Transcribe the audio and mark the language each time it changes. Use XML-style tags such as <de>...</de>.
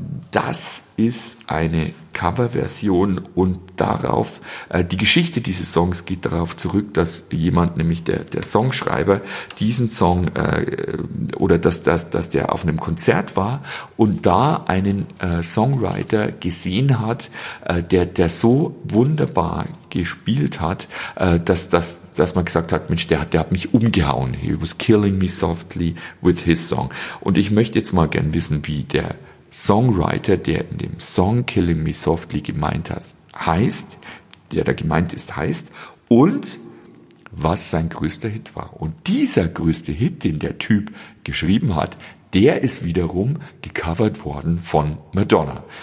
<de>Das ist eine Coverversion und darauf, die Geschichte dieses Songs geht darauf zurück, dass jemand, nämlich der Songschreiber, diesen Song oder dass der auf einem Konzert war und da einen Songwriter gesehen hat, der so wunderbar gespielt hat, dass man gesagt hat, Mensch, der hat mich umgehauen.</de> <en>He was killing me softly with his song.</en> <de>Und ich möchte jetzt mal gern wissen, wie der Songwriter, der in dem Song Killing Me Softly gemeint hat, heißt, der da gemeint ist, heißt und was sein größter Hit war. Und dieser größte Hit, den der Typ geschrieben hat, der ist wiederum gecovert worden von Madonna.</de>